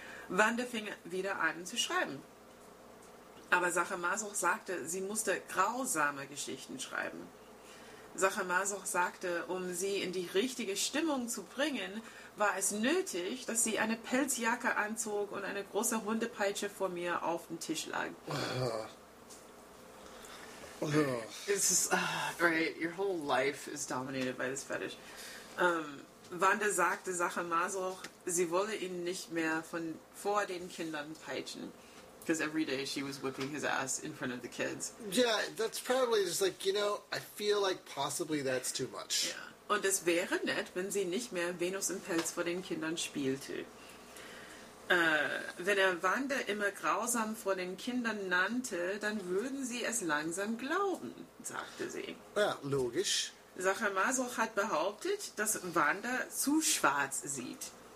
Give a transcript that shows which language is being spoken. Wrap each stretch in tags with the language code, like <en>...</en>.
<de>Wanda fing wieder an zu schreiben. Aber Sacher Masoch sagte, sie musste grausame Geschichten schreiben. Sacher Masoch sagte, um sie in die richtige Stimmung zu bringen, war es nötig, dass sie eine Pelzjacke anzog und eine große Hundepeitsche vor mir auf dem Tisch lag.</de> <en>It's just, right, your whole life is dominated by this fetish.</en> <de>Wanda sagte Sacher Masoch, sie wolle ihn nicht mehr von vor den Kindern peitschen.</de> <en>Because every day she was whipping his ass in front of the kids. Yeah, that's probably just like, you know, I feel like possibly that's too much. Yeah.</en> <de>Und es wäre nett, wenn sie nicht mehr Venus im Pelz vor den Kindern spielte. Wenn er Wanda immer grausam vor den Kindern nannte, dann würden sie es langsam glauben, sagte sie. Ja, logisch. Sacher Masoch hat behauptet, dass Wanda zu schwarz sieht.</de>